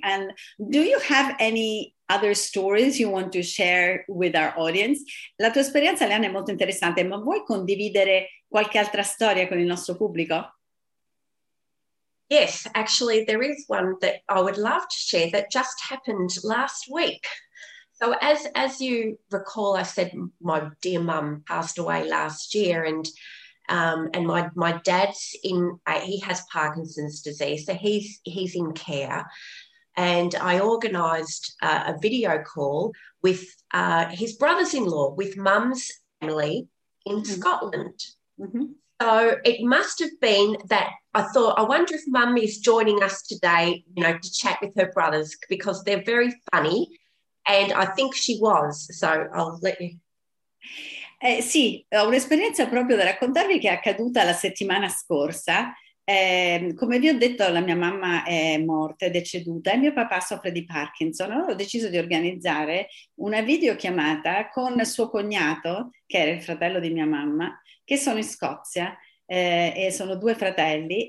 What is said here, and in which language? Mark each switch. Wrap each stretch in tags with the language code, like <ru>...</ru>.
<en>And do you have any other stories you want to share with our audience?</en> <it>La tua esperienza, Leanne, è molto interessante, ma vuoi condividere qualche altra storia con il nostro pubblico?</it> <en>Yes, actually there is one that I would love to share that just happened last week. So as you recall, I said my dear mum passed away last year and my dad's in, he has Parkinson's disease, so he's in care. And I organised a video call with his brothers-in-law, with mum's family in mm-hmm. Scotland. Mm-hmm. So it must have been that I thought, I wonder if mum is joining us today, you know, to chat with her brothers, because they're very funny. And I think she was. So I'll let you.</en> <it>Sì, ho un'esperienza proprio da raccontarvi che è accaduta la settimana scorsa. Come vi ho detto, la mia mamma è morta, è deceduta, e mio papà soffre di Parkinson. Allora ho deciso di organizzare una videochiamata con suo cognato, che era il fratello di mia mamma, che sono in Scozia, e sono due fratelli.</it>